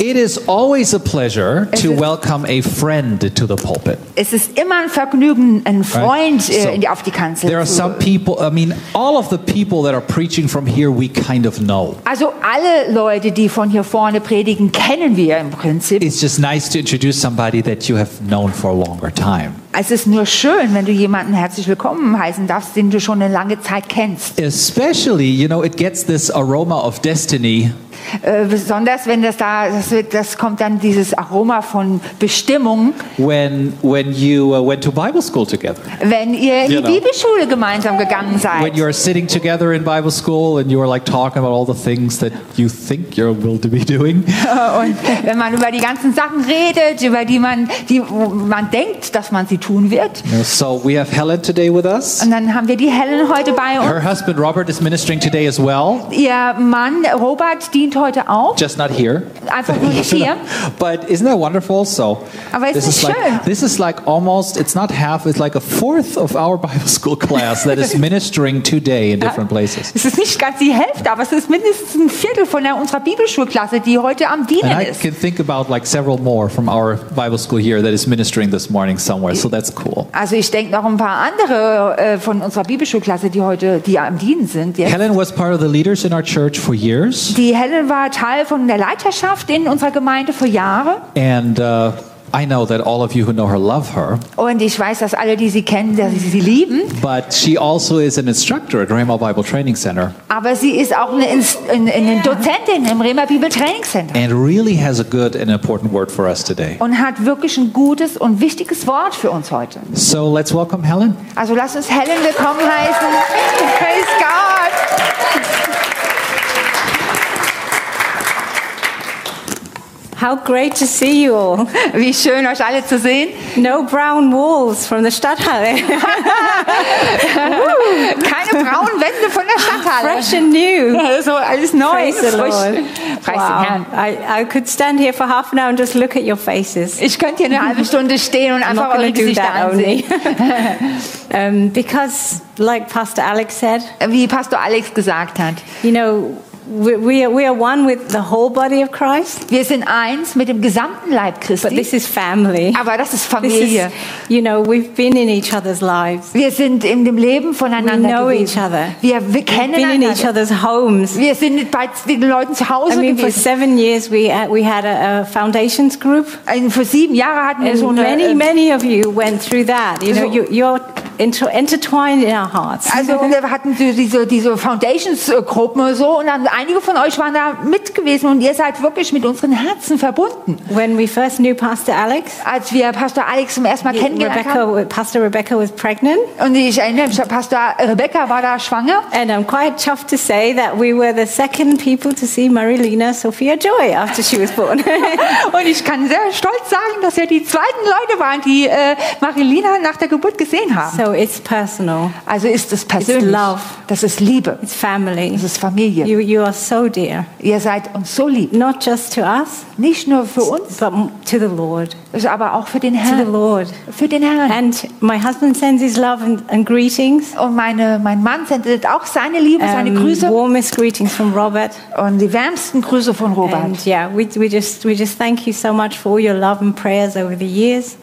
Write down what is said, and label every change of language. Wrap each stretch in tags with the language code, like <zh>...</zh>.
<en>It is always a pleasure to welcome a friend to the pulpit.</en> <de>Es ist immer ein Vergnügen, einen Freund auf die Kanzel zu haben.</de> <en>There are some people, I mean, all of the people that are preaching from here, we kind of know.</en> <de>Also alle Leute, die von hier vorne predigen, kennen wir im Prinzip.</de> <en>It's just nice to introduce somebody that you have known for a longer time.</en> <de>Es ist nur schön, wenn du jemanden herzlich willkommen heißen darfst, den du schon eine lange Zeit kennst.</de> <en>Especially, you know, it gets this aroma of destiny.</en> <de>Besonders wenn das da, das kommt dann dieses Aroma von Bestimmung.</de> <en>When you went to Bible school together.</en> <de>Wenn ihr in die Bibelschule gemeinsam gegangen seid.</de> <en>When you are sitting together in Bible school and you are like talking about all the things that you think you will be doing.</en> <de>Und wenn man über die ganzen Sachen redet, über die man denkt, dass man sie tun wird.</de> <en>So we have Helen today with us.</en> <de>Und dann haben wir die Helen heute bei uns.</de> <en>Her husband Robert is ministering today as well.</en> <de>Ihr Mann Robert dient heute auch.</de> <en>Just not here.</en> <de>Einfach nur hier.</de> <en>But isn't that wonderful? So,</en> <de>aber ist</de> <en>this,</en> <de>nicht</de> <en>is like, this is like almost, it's not half, it's like a fourth of our Bible school class that is ministering today in different places.</en> <de>Es ist nicht ganz die Hälfte, aber es ist mindestens ein Viertel von unserer Bibelschulklasse, die heute am Dienen</de> <en>and</en> <de>ist.</de> <en>And I can think about like several more from our Bible school here that is ministering this morning somewhere, so that's cool.</en> <de>Also ich denke noch ein paar andere von unserer Bibelschulklasse, die heute, die am Dienen sind. Jetzt.</de> <en>Helen was part of the leaders in our church for years.</en> <de>Die Helen war Teil von der Leiterschaft in unserer Gemeinde vor Jahren.</de> <en>And I know that all of you who know her love her.</en> <de>Und ich weiß, dass alle, die sie kennen, dass sie lieben.</de> <en>But she also is an instructor at Rhema Bible Training Center.</en> <de>Aber sie ist auch eine Dozentin im Rhema Bible Training Center.</de> <en>And really has a good and important word for us today.</en> <de>Und hat wirklich ein gutes und wichtiges Wort für uns heute.</de> <en>So let's welcome Helen.</en> <de>Also lass uns Helen willkommen heißen.</de> <en>Praise God. How great to see you all.</en> <de>Wie schön, euch alle zu sehen.</de> <en>No brown walls from the Stadthalle.</en> <de>Keine braunen Wände von der Stadthalle.</de> <en>Fresh and new.</en> <de>So alles neu.</de> <en>Praise the Lord. Wow. I could stand here for half an hour and just look at your faces.</en> <de>Ich könnte hier eine halbe Stunde stehen und einfach eure Gesichter ansehen.</de> <en>I'm not gonna do that only. because, like Pastor Alex said.</en> <de>Wie Pastor Alex gesagt hat.</de> <en>You know, We are one with the whole body of Christ.</en> <de>Wir sind eins mit dem gesamten Leib Christi.</de> <en>But this is family.</en> <de>Aber das ist Familie.</de> <en>This is, you know, we've been in each other's lives.</en> <de>Wir sind in dem Leben voneinander.</de> <en>We know</en> <de>gewesen.</de> <en>Each other.</en> <de>Wir kennen</de> <en>been</en> <de>einander.</de> <en>In each other's homes.</en> <de>Wir sind bei den Leuten zu Hause.</de> <en>I mean,</en> <de>gewesen.</de> <en>For 7 years we had a foundations group.</en> <de>Und für 7 Jahre hatten wir so eine.</de> <en>Many many of you went through that. You know, you're intertwined in our hearts.</en> <de>Also wir hatten diese Foundations-Gruppen und so, und dann einige von euch waren da mit gewesen und ihr seid wirklich mit unseren Herzen verbunden.</de> <en>When we first knew Pastor Alex,</en> <de>als wir Pastor Alex zum ersten Mal kennengelernt haben,</de> <en>Pastor Rebecca was pregnant.</en> <de>Und ich erinnere mich, Pastor Rebecca war da schwanger.</de> <en>And I'm quite chuffed to say that we were the second people to see Marilena Sophia Joy after she was born.</en> <de>Und ich kann sehr stolz sagen, dass wir die zweiten Leute waren, die Marilena nach der Geburt gesehen haben.</de> <en>So it's personal.</en> <de>Also ist es persönlich.</de> <en>It's love.</en> <de>Das ist Liebe.</de> <en>It's family.</en> <de>Das ist Familie.</de> <en>You are so dear.</en> <de>Ihr seid uns so lieb.</de> <en>Not just to us.</en> <de>Nicht nur für uns.</de> <en>But to the Lord.</en> <de>Aber auch für den Herrn.</de> <en>To the Lord.</en> <de>Für den Herrn.</de> <en>And my husband sends his love and greetings.</en> <de>Und mein Mann sendet auch seine Liebe, seine Grüße.</de> <en>Warmest greetings from Robert.</en> <de>Und die wärmsten Grüße von Robert.</de> <en>And yeah, we just thank you so much for all your love and prayers over the years.</en>